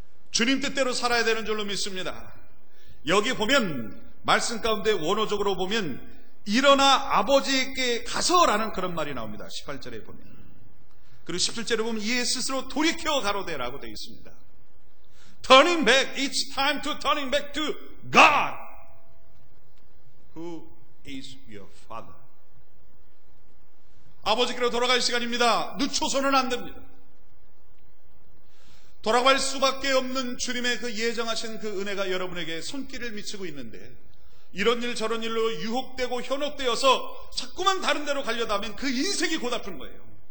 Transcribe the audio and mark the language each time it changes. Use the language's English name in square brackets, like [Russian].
[Korean] 주님 뜻대로 살아야 되는 줄로 믿습니다. 여기 보면 말씀 가운데 원어적으로 보면 일어나 아버지께 가서라는 그런 말이 나옵니다. 18절에 보면. 그리고 17절에 보면 이에 스스로 돌이켜 가로대라고 되어 있습니다. [English] Turning back, it's time to turning back to God who is your father. [Korean] 아버지께로 돌아갈 시간입니다. 늦춰서는 안 됩니다. 돌아갈 수밖에 없는 주님의 그 예정하신 그 은혜가 여러분에게 손길을 미치고 있는데 이런 일 저런 일로 유혹되고 현혹되어서 자꾸만 다른 데로 가려다 하면 그 인생이 고달픈 거예요.